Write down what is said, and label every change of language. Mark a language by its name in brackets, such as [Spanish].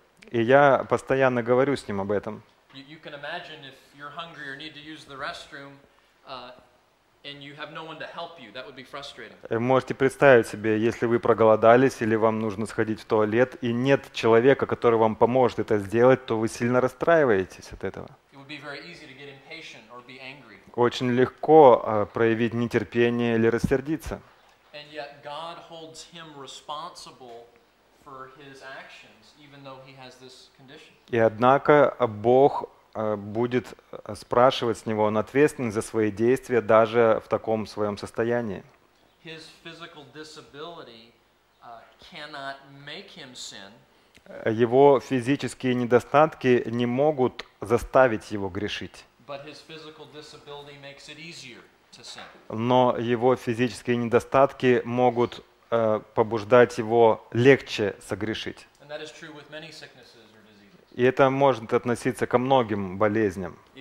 [Russian] и я постоянно говорю с ним об этом. [English] You can imagine if you're hungry or need to use the restroom, and you have no one to help you, that would be frustrating. [Russian] Можете представить себе, если вы проголодались или вам нужно сходить в туалет и нет человека, который вам поможет это сделать, то вы сильно расстраиваетесь от этого. [English] It would be very easy to get impatient or be angry. [Russian] Очень легко проявить нетерпение или рассердиться. [English] And yet God holds him responsible for his actions, even though he has this condition. [Russian] И однако Бог будет спрашивать с него, он ответственен за свои действия даже в таком своем состоянии. [English] His physical disability cannot make him sin. [Russian] Его физические недостатки не могут заставить его грешить. [English] But his physical disability makes it easier to sin. [Russian] Но его физические недостатки могут побуждать его легче согрешить. [English] And that is true with many sicknesses. [Russian] И это может относиться ко многим болезням.